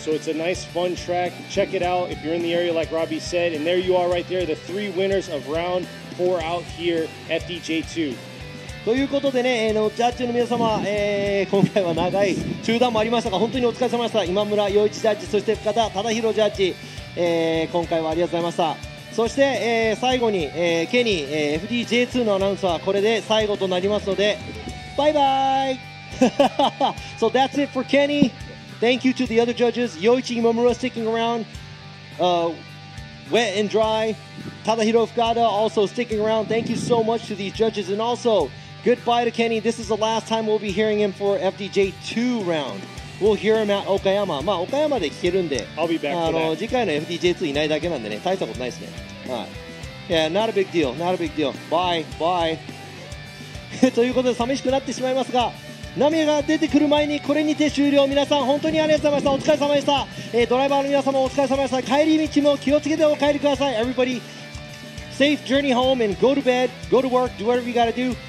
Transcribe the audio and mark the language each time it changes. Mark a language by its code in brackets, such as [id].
[en] So it's a nice, fun track. Check it out if you're in the area, like Robbie said. And there you are right there, the three winners of round 4 out here, FDJ2. [ja] ということでね、ジャッジの皆様、今回は長い中断もありましたが本当にお疲れ様でした。今村陽一ジャッジ、そして深田忠宏ジャッジ、今回はありがとうございました。そして、最後に、ケニー、FDJ2 のアナウンスはこれで最後となりますのでバイバイ。 [en] So that's it for Kenny. Thank you to the other judges. 陽一、今村 sticking around、wet and dry. 忠宏、深田 also sticking around. Thank you so much to these judges and alsoGoodbye to Kenny. This is the last time we'll be hearing him for FDJ2 round. We'll hear him at Okayama. [ja] まあ、岡山で聞けるんで。 [en] I'll be back for that. [ja] 次回の FDJ2 いないだけなんでね。大したことないですね。はい。 [en] Yeah, not a big deal. Not a big deal. Bye. Bye. [ja] ということで、寂しくなってしまいますが、波が出てくる前にこれにて終了。皆さん、本当にありがとうございました。お疲れ様でした。ドライバーの皆様、お疲れ様でした。帰り道も気をつけてお帰りください。 [en] Everybody. Safe journey home and go to bed, go to work, do whatever you gotta do.